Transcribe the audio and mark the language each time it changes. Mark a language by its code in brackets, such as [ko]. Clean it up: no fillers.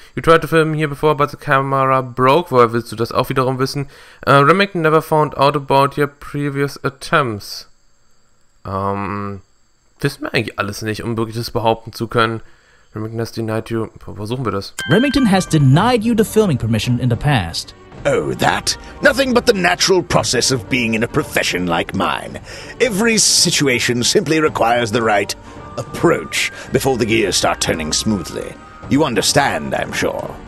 [en] You tried to film here before, but the camera broke. [de] Woher willst du das auch wiederum wissen? [en] Remington never found out about your previous attempts. [de] Wissen wir eigentlich alles nicht, um wirklich das behaupten zu können. [en] Remington has denied you. [de] Versuchen wir das. [en] Remington has denied you the filming permission in the past. Oh, that? Nothing but the natural process of being in a profession like mine. Every situation simply requires the right approach before the gears start turning smoothly. You understand, I'm sure.